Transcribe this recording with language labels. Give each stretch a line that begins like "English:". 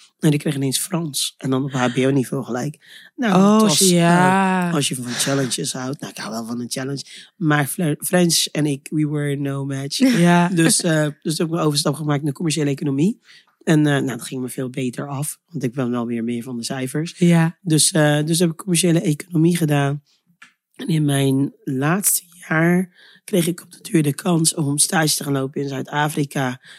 Dutch: En ik kreeg ineens Frans. En dan op HBO-niveau gelijk. Nou, oh, ja. Als je van challenges houdt. Nou, ik hou wel van een challenge. Maar French en ik,
English: we were no match.
Dutch: Ja. Dus heb ik een overstap gemaakt naar commerciële economie. En dat ging me veel beter af. Want ik ben wel weer meer van de cijfers. Ja. Dus heb ik commerciële economie gedaan. En in mijn laatste jaar kreeg ik op de duur de kans om stage te gaan lopen in Zuid-Afrika.